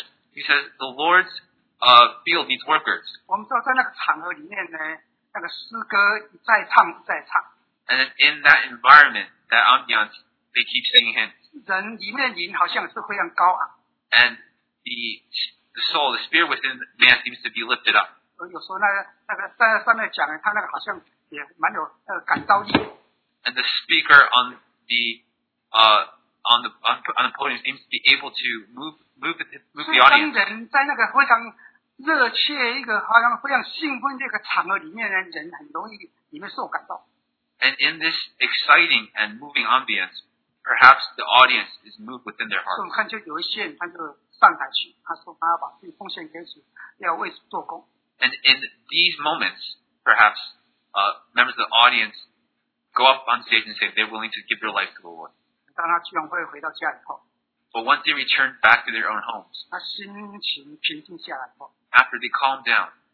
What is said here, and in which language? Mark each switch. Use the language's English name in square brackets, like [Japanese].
[English] He says, the Lord's field needs workers. And in that environment, that ambiance, they keep singing hymns. And the soul, the spirit within man seems to be lifted up. [Chinese] 有时候在上面讲，他那个好像也蛮有感召力。 [English] And the speaker on the podium seems to be able to move the audience. [Chinese] 所以当人在那个非常热切一个好像非常兴奋这个场合里面呢，人很容易里面受感召。 [English] And in this exciting and moving ambience, perhaps the audience is moved within their heart. [Chinese] 我看就有一些人他就上台去，他说他要把自己奉献给主，要为主做工。 [English] And in these moments, perhaps members of the audience go up on stage and say they're willing to give their life to the Lord. [Chinese] 当他聚会回到家以后, [English] but once they return back to their own homes, [Chinese] 他心情平静下来后, [English] after they calm down,